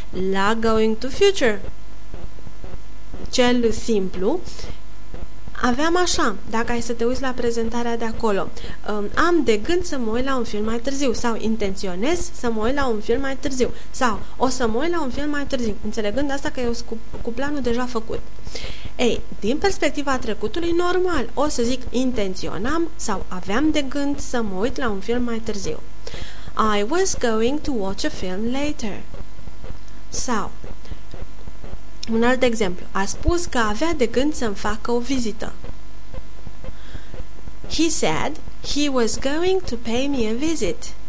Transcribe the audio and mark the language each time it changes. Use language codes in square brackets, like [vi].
[ro] La going to future, cel simplu, aveam așa, dacă ai să te uiți la prezentarea de acolo, am de gând să mă uit la un film mai târziu sau intenționez să mă uit la un film mai târziu sau o să mă uit la un film mai târziu, înțelegând asta că eu sunt cu planul deja făcut. Ei, din perspectiva trecutului, normal, o să zic intenționam sau aveam de gând să mă uit la un film mai târziu. [en] I was going to watch a film later. [ro] Sau... un alt exemplu. A spus că avea de gând să-mi facă o vizită. [en] He said he was going to pay me a visit.